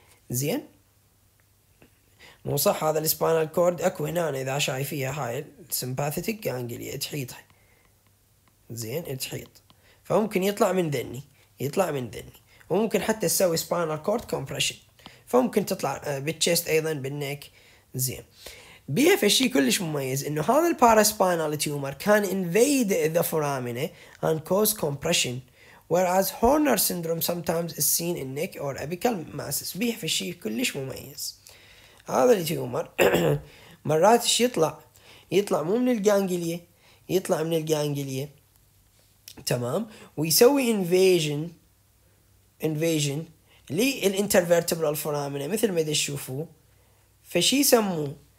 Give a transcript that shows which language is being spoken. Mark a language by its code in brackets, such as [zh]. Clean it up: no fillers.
[ar] زين، مو صح هذا الspinal cord، اكو هنا اذا شايفيها هاي sympathetic ganglia تحيطها. زين، تحيط، فممكن يطلع من ذني، يطلع من ذني، وممكن حتى تسوي spinal cord compression، فممكن تطلع بالchest أيضا بالneck. زين، بيها في شيء كلش مميز إنه هذا [en] paraspinal tumor كان invade the foramina and cause compression، whereas Horner syndrome sometimes is seen in neck or apical masses. [ar] بيها في شيء كلش مميز، هذا التيومر مرات إيش يطلع؟ يطلع مو من الجانجليا، يطلع من الجانجليا، تمام، ويسوي invasion للانترفيرتبرال فورامينا مثل ما تشوفوا. فشي يسموه